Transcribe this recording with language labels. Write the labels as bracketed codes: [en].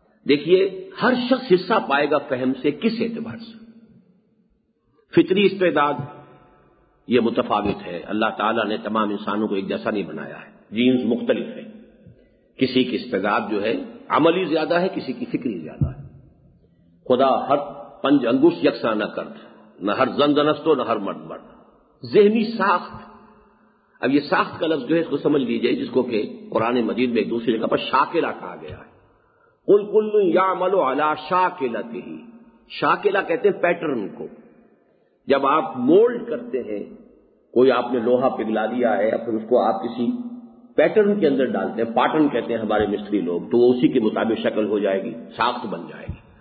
[ur] دیکھیے ہر شخص حصہ پائے گا فہم سے کس اعتبار سے؟ فطری استعداد یہ متفاوت ہے, اللہ تعالیٰ نے تمام انسانوں کو ایک جیسا نہیں بنایا ہے, جینز مختلف ہیں, کسی کی استعداد جو ہے عملی زیادہ ہے, کسی کی فکری زیادہ ہے. [fa] خدا ہر پنج انگوش یکساں نہ کرد, نہ ہر زن زنستو نہ ہر مرد مرد. [ur] ذہنی ساخت, اب یہ ساخت کا لفظ جو ہے اس کو سمجھ لیجئے, جس کو کہ قرآن مجید میں ایک دوسری جگہ پر شاکلہ کہا گیا ہے. [ar] قل کل یعمل علی شاکلتہ, [ur] شاکلہ کہتے ہیں پیٹرن کو. جب آپ مولڈ کرتے ہیں, کوئی آپ نے لوہا پگلا دیا ہے یا پھر اس کو آپ کسی پیٹرن کے اندر ڈالتے ہیں, پاٹن کہتے ہیں ہمارے مستری لوگ, تو وہ اسی کے مطابق شکل ہو جائے گی, ساخت بن جائے گی.